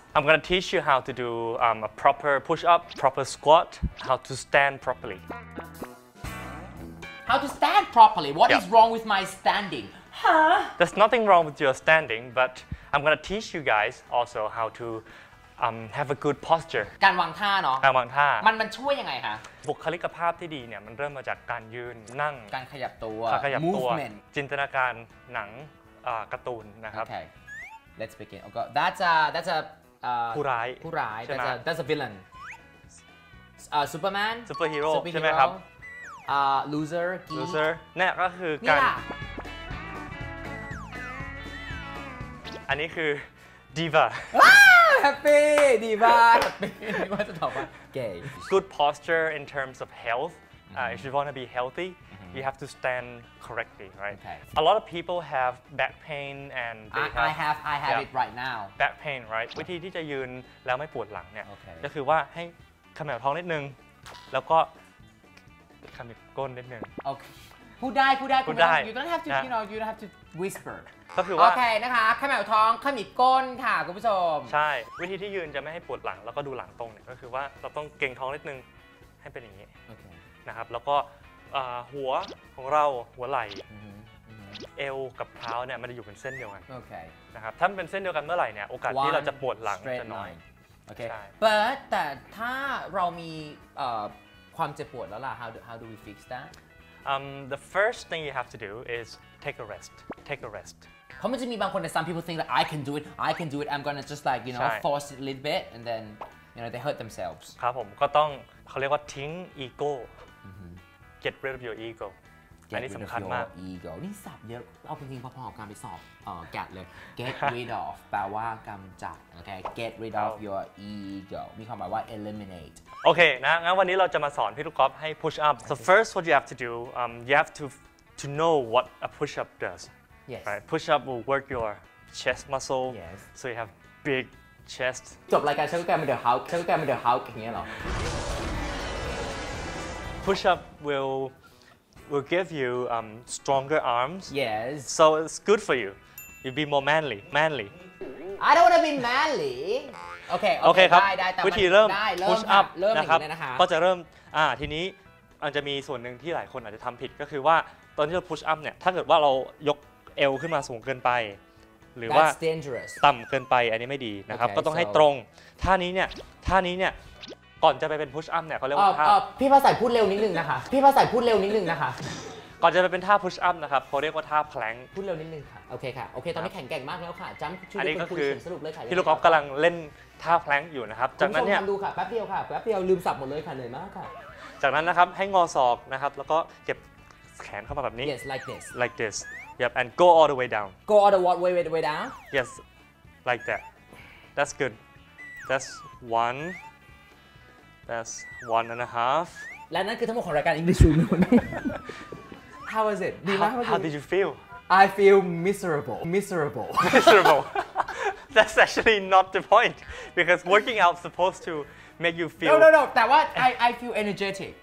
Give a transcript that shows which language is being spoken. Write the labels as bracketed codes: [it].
[en] I'm going to teach you how to do a proper push-up, proper squat, how to stand properly. How to stand properly? What is wrong with my standing? Huh? There's nothing wrong with your standing, but I'm going to teach you guys also how toHave a good posture. [th] การวางท่าเนาะ การวางท่ามันช่วยยังไงคะ บุคลิกภาพที่ดีเนี่ยมันเริ่มมาจากการยืนนั่ง การขยับตัว ขยับตัวจินตนาการหนังการ์ตูนนะครับ [en] Okay. Let's begin. Okay. That's a [th] ผู้ร้าย ผู้ร้าย [en] That's a villain. Superman. Superhero. [th] ใช่ไหมครับ [en] Loser. Loser. [th] นี่ก็คือการอันนี้คือDiva. [en] Happy! Diva! Happy! What's the top one? Gay. Good posture in terms of health. If you want to be healthy, you have to stand correctly, right? Okay. A lot of people have back pain and I have it right now. Back pain, right? [th] วิธีที่จะยืนแล้วไม่ปวดหลังเนี่ยก็คือว่าให้ขมิบท้องนิดนึงแล้วก็ขมิบก้นนิดนึง [en] Okay. [th] พูดได้ [en] you don't have to you know you don't have to whisper [th] ก็คือว่า โอเคนะคะขมิบท้องขมิบก้นค่ะคุณผู้ชม ใช่วิธีที่ยืนจะไม่ให้ปวดหลังแล้วก็ดูหลังตรงเนี่ยก็คือว่าเราต้องเกร็งท้องนิดนึงให้เป็นอย่างนี้ นะครับแล้วก็หัวของเราหัวไหล่เอวกับเท้าเนี่ยมันจะอยู่เป็นเส้นเดียวกัน โอเค นะครับถ้ามันเป็นเส้นเดียวกันเมื่อไหร่เนี่ยโอกาสที่เราจะปวดหลังจะน้อย โอเคแต่ถ้าเรามี ความเจ็บปวดแล้วล่ะ [en] how do we fix that the first thing you have to do is take a rest [th] เพราะมันจะมีบางคนใน [en] some people think that I can do it I'm gonna just like you know force it a little bit and then you know they hurt themselves [th] ครับผมก็ต้องเขาเรียกว่าทิ้ง ego [en] get rid of your ego [th] อันนี้สำคัญมาก อีกนี่สอบเยอะเอาจริงๆพอๆกับการไปสอบแกะเลย get rid of แปลว่ากำจัดโอเค [en] get rid of your ego [th] มีความหมายว่า eliminate โอเคนะงั้นวันนี้เราจะมาสอนพี่ลูกกอล์ฟให้ [en] push up so first what you have to do you have to know what a push up does yes right push up will work your chest muscle yes so you have big chest [th] จบรายการฉันก็แกมเดอร์ฮาวฉันก็แกมเดอร์ฮาวอย่างเงี้ยหร [en] อ push up will give you stronger arms. Yes. So it's good for you. You'll be more manly. Manly. I don't want to be manly. Okay. Okay. [th] ครับวิธี เริ่ม push up นะครับ ก็จะเริ่มทีนี้อาจจะมีส่วนหนึ่งที่หลายคนอาจจะทำผิดก็คือว่าตอนที่เรา push up เนี่ยถ้าเกิดว่าเรายกเอวขึ้นมาสูงเกินไปหรือว่าต่ำเกินไปอันนี้ไม่ดีนะครับก็ต้องให้ตรงท่านี้เนี่ยก่อนจะไปเป็นพุชอัพเนี่ยเขาเรียกว่าท่า พี่ภาษาพูดเร็วนิดนึงนะคะพี่ภาษาพูดเร็วนิดนึงนะคะ ก่อนจะไปเป็นท่าพุชอัพนะครับเขาเรียกว่าท่าแพลง พูดเร็วนิดนึงค่ะโอเคค่ะโอเคตอนนี้แข็งแกร่งมากแล้วค่ะจัมป์ชุด นี้ เป็น คุ ณสรุปเลยค่ะ พี่ลูกกอล์ฟกำลังเล่นท่าแพลงอยู่นะครับจากนั้นเนี่ย ดูค่ะแป๊บเดียวค่ะแป๊บเดียวลืมสับหมดเลยค่ะเหนื่อยมากค่ะ จากนั้นนะครับให้งอศอกนะครับแล้วก็เก็บแขนเข้ามาแบบนี้ [en] yes like this like this yep and go all the way down go all the way down yes like that that's good that's oneThat's one and a half. [th] และนั่นคือทั้งหมดของรายการ English Room [en] How was it? How did you feel? I feel miserable. Miserable. Miserable. That's actually not the point. Because working out is supposed to make you feel... No. [th] แต่ว่า [en] I feel energetic.